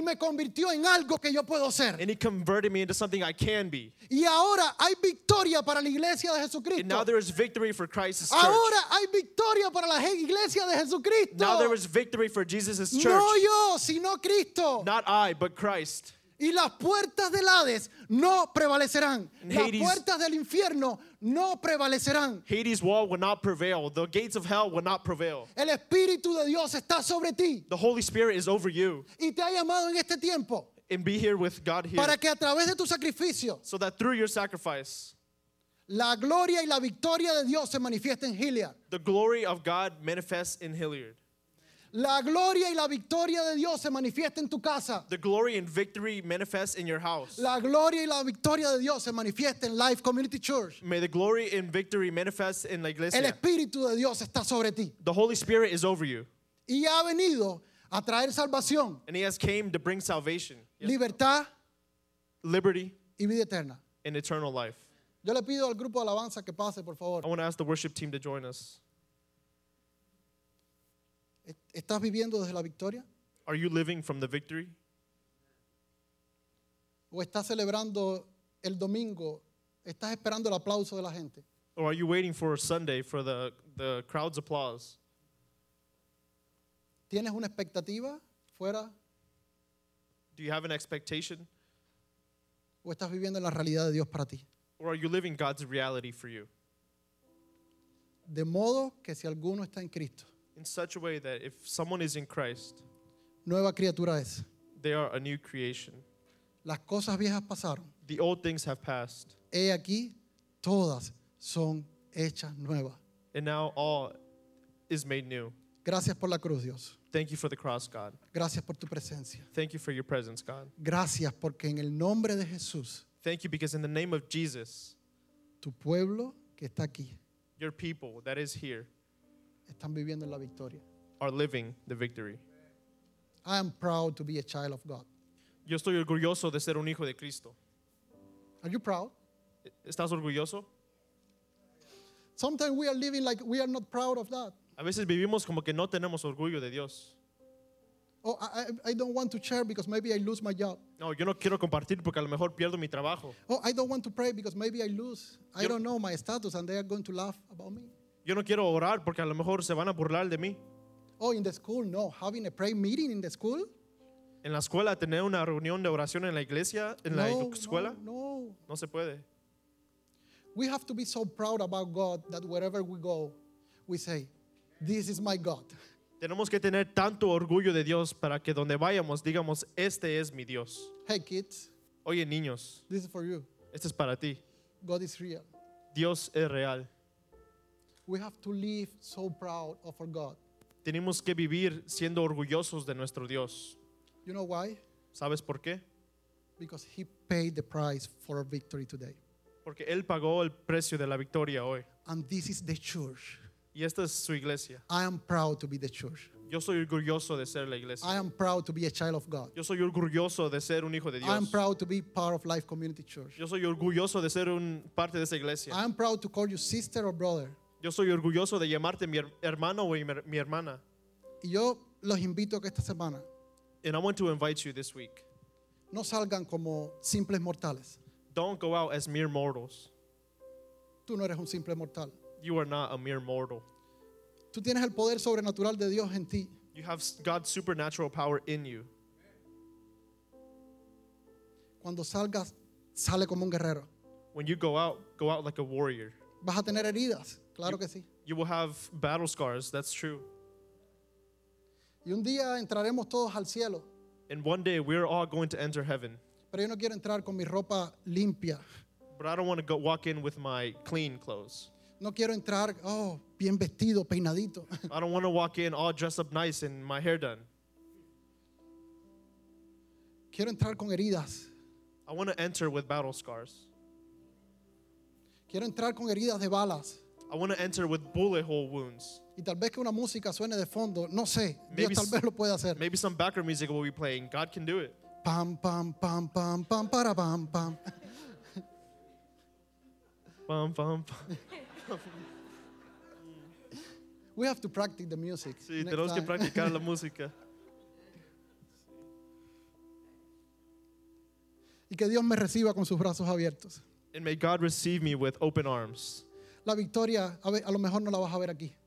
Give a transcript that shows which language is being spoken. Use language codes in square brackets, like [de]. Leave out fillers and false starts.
[es] Y me convirtió en algo que yo puedo ser. [en] And he converted me into something I can be. [es] Y ahora hay victoria para la iglesia de Jesucristo. [en] And now there is victory for Christ's church. [es] Ahora hay victoria para la iglesia de Jesucristo. [en] Now there is victory for Jesus' church. [es] No yo, sino Cristo. [en] Not I, but Christ. [es] Y las puertas del Hades no prevalecerán. Las puertas del infierno no prevalecerán. [en] Hades' wall will not prevail. The gates of hell will not prevail. [es] El Espíritu de Dios está sobre ti. [en] The Holy Spirit is over you. [es] Y te ha llamado en este tiempo. [en] And be here with God here. [es] Para que a través de tu sacrificio. [en] So that through your sacrifice. [es] La gloria y la victoria de Dios se manifiesta en Hilliard. [en] The glory of God manifests in Hilliard. [es] La gloria y la victoria de Dios se manifiesta en tu casa. [en] The glory and victory manifest in your house. [es] La gloria y la victoria de Dios se manifiesta en Life Community Church. [en] May the glory and victory manifest in [es] la iglesia. El Espíritu de Dios está sobre ti. [en] The Holy Spirit is over you. [es] Y ha venido a traer salvación. [en] And he has came to bring salvation. [es] Yes. Libertad. [en] Liberty. [es] Y vida eterna. [en] And eternal life. [es] Yo le pido al grupo de alabanza que pase, por favor. [en] I want to ask the worship team to join us. [es] ¿Estás viviendo desde la victoria? [en] Are you living from the victory? [es] ¿O estás celebrando el domingo? ¿Estás esperando el aplauso de la gente? [en] Or are you waiting for Sunday for the crowd's applause? [es] ¿Tienes una expectativa fuera? [en] Do you have an expectation? [es] ¿O estás viviendo la realidad de Dios para ti? [en] Or are you living God's reality for you? [es] De modo que si alguno está en Cristo. [en] In such a way that if someone is in Christ, [es] nueva criatura es. [en] They are a new creation. [es] Las cosas viejas pasaron. [en] The old things have passed. [es] He aquí, todas son hechas nuevas. [en] And now all is made new. [es] Gracias por la cruz, Dios. [en] Thank you for the cross, God. [es] Gracias por tu presencia. [en] Thank you for your presence, God. [es] Gracias porque en el nombre de Jesús. [en] Thank you because in the name of Jesus. [es] Tu pueblo que está aquí. [en] Your people that is here. [es] Están viviendo la victoria. [en] Are living the victory. I am proud to be a child of God. [es] Yo estoy orgulloso de ser un hijo de Cristo. [en] Are you proud? [es] ¿Estás orgulloso? [en] Sometimes we are living like we are not proud of that. [es] A veces vivimos como que no tenemos orgullo de Dios. [en] Oh, I don't want to share because maybe I lose my job. [es] No, yo no quiero compartir porque a lo mejor pierdo mi trabajo. [en] Oh, I don't want to pray because maybe I lose. Yo, I don't know my status and they are going to laugh about me. [es] Yo no quiero orar porque a lo mejor se van a burlar de mí. [en] Oh, in the school, no. Having a prayer meeting in the school? [es] En la escuela, tener una reunión de oración en la iglesia, en no, la escuela? No, no. No se puede. [en] We have to be so proud about God that wherever we go, we say, this is my God. [es] Tenemos que tener tanto orgullo de Dios para que donde vayamos digamos, este es mi Dios. [en] Hey, kids. [es] Oye, niños. [en] This is for you. [es] Este es para ti. [en] God is real. [es] Dios es real. [en] We have to live so proud of our God. [es] Tenemos que vivir siendo orgullosos de nuestro Dios. [en] You know why? [es] ¿Sabes por qué? [en] Because he paid the price for our victory today. [es] Porque él pagó el precio de la victoria hoy. [en] And this is the church. [es] Y esta es su iglesia. [en] I am proud to be the church. [es] Yo soy orgulloso de ser la iglesia. [en] I am proud to be a child of God. [es] Yo soy orgulloso de ser un hijo de Dios. [en] I am proud to be part of Life Community Church. [es] Yo soy orgulloso de ser un parte de esa iglesia. [en] I am proud to call you sister or brother. [es] Yo soy orgulloso de llamarte mi hermano o mi hermana. Y yo los invito que esta semana. [en] And I want to invite you this week. [es] No salgan como simples mortales. [en] Don't go out as mere mortals. [es] Tú no eres un simple mortal. [en] You are not a mere mortal. [es] Tú tienes el poder sobrenatural de Dios en ti. [en] You have God's supernatural power in you. [es] Cuando salgas, sale como un guerrero. [en] When you go out like a warrior. [es] Vas a tener heridas, claro [en] you, [es] que sí. [en] You will have battle scars, that's true. [es] Y un día entraremos todos al cielo. [en] And one day we are all going to enter heaven. [es] Pero yo no quiero entrar con mi ropa limpia. [en] But I don't want to go walk in with my clean clothes. [es] No quiero entrar, oh, bien vestido, peinadito. [en] I don't want to walk in all dressed up nice and my hair done. [es] Quiero entrar con heridas. [en] I want to enter with battle scars. [es] Quiero entrar con heridas de balas. [en] I want to enter with bullet hole wounds. [es] Y tal vez que una música suene de fondo, no sé, Dios tal vez lo puede hacer. [en] Maybe some background music will be playing. God can do it. Pam pam pam pam pam para pam pam. Pam pam pam. We have to practice the music. [es] Sí, tenemos que practicar la música. Y que Dios me reciba con sus brazos abiertos. [en] And may God receive me with open arms. [es] La victoria, a lo mejor no la vas a ver aquí.